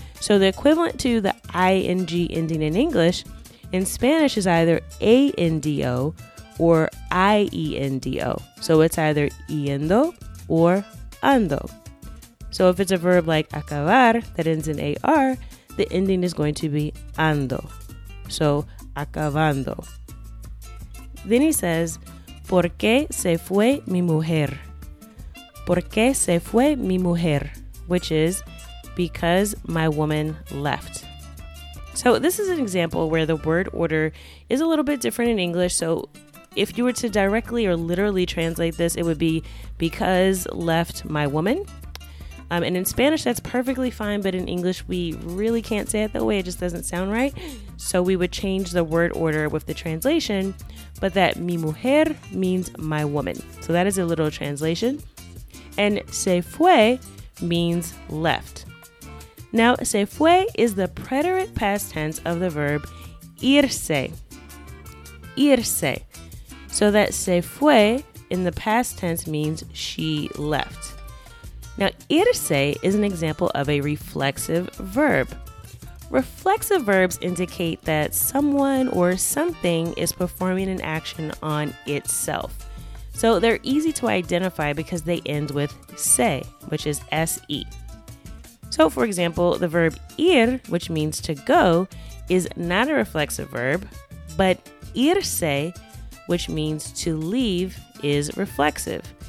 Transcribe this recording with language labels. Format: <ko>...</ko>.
<en>So the equivalent to the ing ending in English, in Spanish is either ando or iendo. So it's either yendo or ando. So if it's a verb like acabar that ends in AR, the ending is going to be ando. So acabando. Then he says,</en> <es>¿Por qué se fue mi mujer? ¿Por qué se fue mi mujer?</es> <en>Which is, because my woman left. So this is an example where the word order is a little bit different in English. So if you were to directly or literally translate this, it would be because left my woman. And in Spanish, that's perfectly fine. But in English, we really can't say it that way. It just doesn't sound right. So we would change the word order with the translation. But that mi mujer means my woman. So that is a literal translation. And se fue means left. Now, se fue is the preterite past tense of the verb irse. Irse. So that se fue in the past tense means she left. Now, irse is an example of a reflexive verb. Reflexive verbs indicate that someone or something is performing an action on itself. So they're easy to identify because they end with se, which is S-E. So for example, the verb ir, which means to go, is not a reflexive verb, but irse, which means to leave, is reflexive.</en>